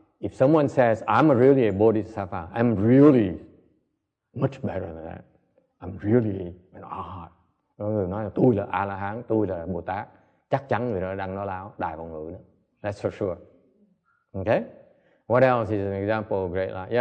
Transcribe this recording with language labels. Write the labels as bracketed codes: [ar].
[en] If someone says, I'm really a bodhisattva, I'm really much better than that. I'm really an arhat. [vi] Người nói là tôi là A-la-hán, tôi là Bồ Tát. Chắc chắn người đó đang nói láo, đại vọng ngữ nữa. [en] That's for sure. Okay? What else is an example of great lie?